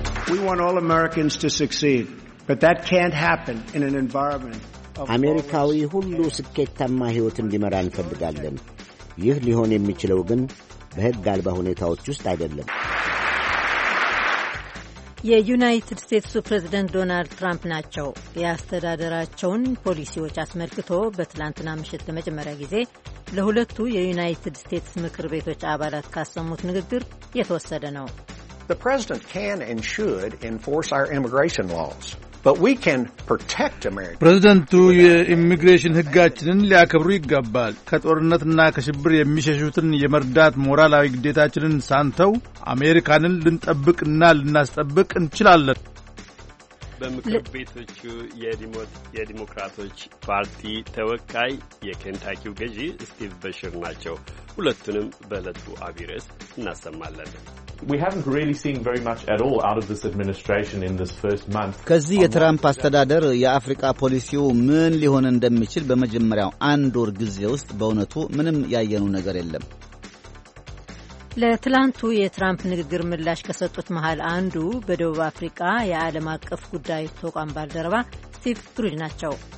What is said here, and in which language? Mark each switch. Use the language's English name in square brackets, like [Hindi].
[English] We want all Americans to succeed, but that can't happen in an environment of [Amharic] አሜሪካዊ ሁሉ ስኬታማ ህይወት እንዲመራ እንፈልጋለን። ይህ ሊሆን የሚችለው ግን በሕግ አልባ ሁኔታዎች ውስጥ አይደለም። የዩናይትድ ስቴትስ ፕሬዝዳንት ዶናልድ ትራምፕ ናቸው ያስተዳደራቸውን ፖሊሲዎች አስመልክቶ በትላንትና ምሽት ለመጀመሪያ ጊዜ ለሁለቱ የዩናይትድ ስቴትስ ምክር ቤቶች አባላት ካሰሙት ንግግር የተወሰደ ነው። [English] The president can and should enforce our immigration laws, but we can protect America. [Amharic] ፕሬዝዳንቱ የኢሚግሬሽን ህጋችንን ሊያከብሩ ይገባል። ከጦርነትና ከሽብር የሚሸሹትን የመርዳት ሞራላዊ ግዴታችንን ሳንተው አሜሪካንን ልንጠብቅና ልናስጠብቅ እንችላለን። በምክር ቤቶቹ የዲሞክራቶች ፓርቲ ተወካይ የኬንታኪው ገዢ ስቲቭ በሽር ናቸው። ሁለቱንም በለቱ አቢረስ እናሰማለን። [English] We haven't really seen very much at all out of this administration in this first month. [Amharic] ከዚ የትራምፕ አስተዳደር የአፍሪካ ፖሊሲው ምን ሊሆን እንደሚችል በመጀመሪያው አንድ ወር ጊዜ ውስጥ በእውነቱ ምንም ያየኑ ነገር የለም። ለትላንቱ የትራምፕ ንግግር ምላሽ ከሰጡት መሃል አንዱ በደቡብ አፍሪካ የዓለም አቀፍ ጉዳይ ተቋም ባልደረባ ስቲቭ ትሩድ ናቸው።